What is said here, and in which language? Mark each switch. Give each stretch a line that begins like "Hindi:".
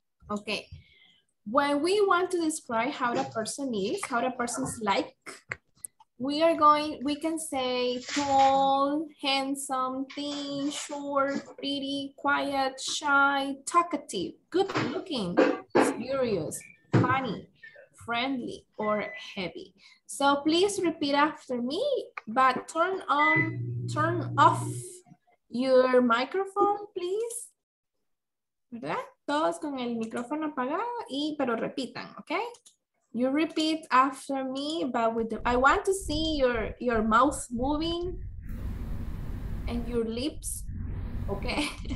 English: Okay, when we want to describe how the person is, how the person's like, we can say tall, handsome, thin, short, pretty, quiet, shy, talkative, good looking, curious, funny, friendly, or heavy. So please repeat after me, but turn off your microphone, please.
Spanish: ¿Verdad? Todos con el micrófono apagado y pero repitan, okay?
English: You repeat after me, but I want to see your mouth moving and your lips, okay?